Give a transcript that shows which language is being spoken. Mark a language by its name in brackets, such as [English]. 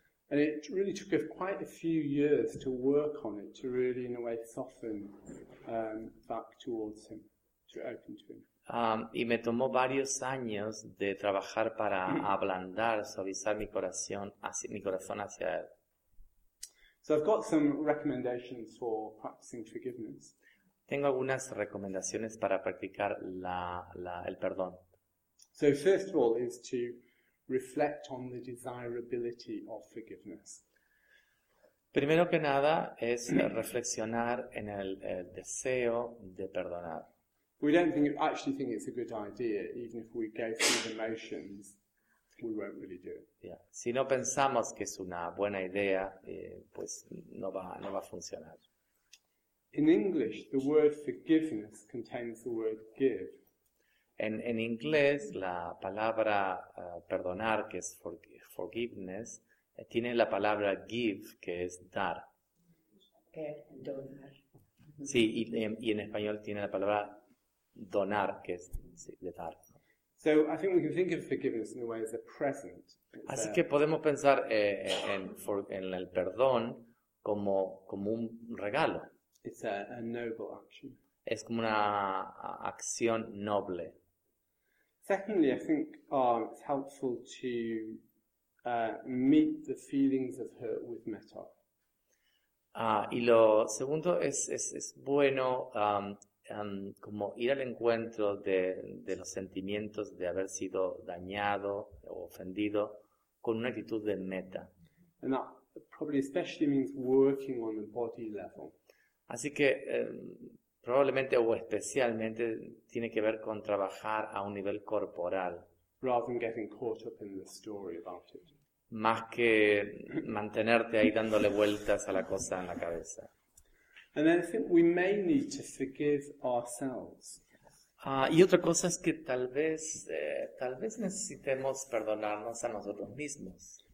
[English] And it really took quite a few years to work on it, to really, in a way, soften back towards him, to open to him. [Spanish] Y me tomó varios años de trabajar para ablandar, suavizar mi corazón hacia él. [English] So I've got some recommendations for practicing forgiveness. [Spanish] Tengo algunas recomendaciones para practicar el perdón. [English] So first of all is to reflect on the desirability of forgiveness. [Spanish] Primero que nada es reflexionar en el deseo de perdonar. [English] We don't actually think it's a good idea, even if we go through the motions, we won't really do it. Yeah. [Spanish] Si no pensamos que es una buena idea, pues no va a funcionar. [English] In English, the word forgiveness contains the word give. [Spanish] En inglés, la palabra perdonar, que es forgiveness, tiene la palabra give, que es dar. Donar. Sí, y en español tiene la palabra donar, que es sí, de dar. [English] So I think we can think of forgiveness in a way as a present. [Spanish] Así que podemos pensar en el perdón como un regalo. [English] It's a noble action. [Spanish] Es como una acción noble. [English] Secondly, I think it's helpful to meet the feelings of hurt with metta. [Spanish] Y lo segundo es bueno como ir al encuentro de los sentimientos de haber sido dañado o ofendido con una actitud de metta. [English] And that probably especially means working on the body level. [Spanish] Así que probablemente o especialmente tiene que ver con trabajar a un nivel corporal. [English] Rather than getting caught up in the story about it. [Spanish] Más que mantenerte ahí dándole vueltas a la cosa en la cabeza. [English] And then I think we may need to forgive ourselves. [Spanish] Y otra cosa es que tal vez necesitemos perdonarnos a nosotros mismos.